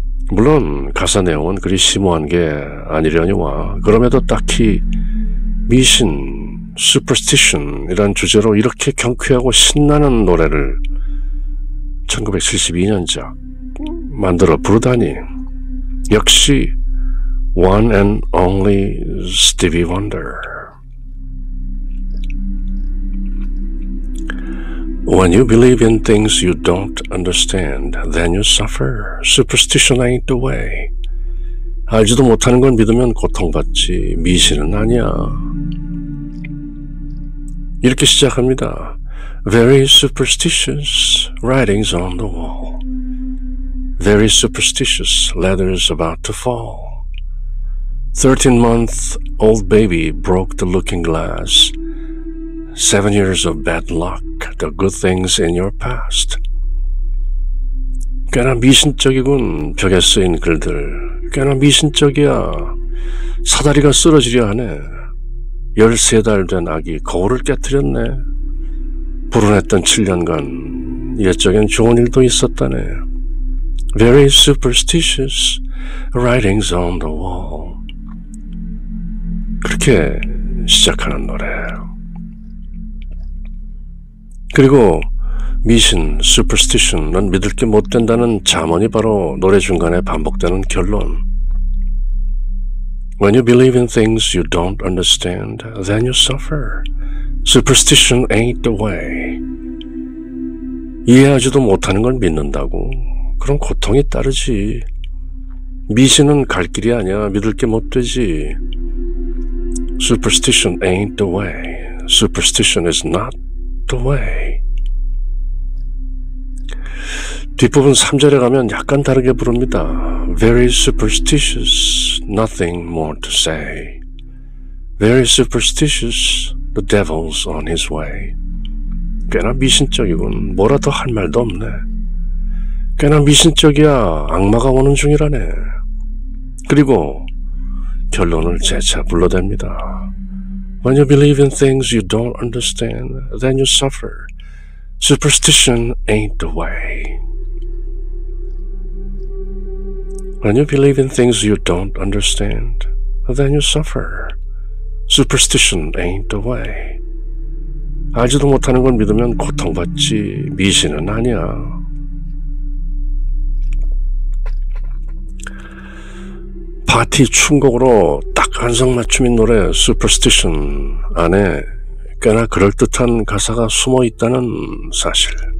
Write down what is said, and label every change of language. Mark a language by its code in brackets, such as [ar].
[ko] 물론 가사 내용은 그리 심오한 게 아니려니와 그럼에도 딱히 미신, Superstition 이란 주제로 이렇게 경쾌하고 신나는 노래를 1972년작 만들어 부르다니 역시 One and Only Stevie Wonder. [en] When you believe in things you don't understand, then you suffer. Superstition ain't the way. [ko] 알지도 못하는 걸 믿으면 고통받지 미신은 아니야. 이렇게 시작합니다. [en] Very superstitious writings on the wall. very superstitious leathers about to fall. 13-month-old baby broke the looking glass. 7 years of bad luck, the good things in your past. [ko] 꽤나 미신적이군, 벽에 쓰인 글들. 꽤나 미신적이야. 사다리가 쓰러지려 하네. 13달 된 아기 거울을 깨뜨렸네. 불운했던 7년간 옛적엔 좋은 일도 있었다네. [en] Very superstitious writings on the wall. [ko] 그렇게 시작하는 노래예요. 그리고 미신, superstition은 믿을 게 못 된다는 자문이 바로 노래 중간에 반복되는 결론. [en] When you believe in things you don't understand, then you suffer. Superstition ain't the way. [ko] 이해하지도 못하는 걸 믿는다고? 그럼 고통이 따르지. 미신은 갈 길이 아니야. 믿을 게 못 되지. [en] Superstition ain't the way. Superstition is not the way. [ko] 뒷부분 3절에 가면 약간 다르게 부릅니다. [en] Very superstitious, nothing more to say. Very superstitious, the devil's on his way. [ko] 꽤나 미신적이군. 뭐라 더 할 말도 없네. 꽤나 미신적이야. 악마가 오는 중이라네. 그리고 결론을 재차 불러댑니다. [en] When you believe in things you don't understand, then you suffer. Superstition ain't the way. When you believe in things you don't understand, then you suffer. Superstition ain't the way. [ko] 알지도 못하는 걸 믿으면 고통받지. 미신은 아니야. 파티 춤곡으로 딱 안성맞춤인 노래 Superstition 안에 꽤나 그럴듯한 가사가 숨어있다는 사실.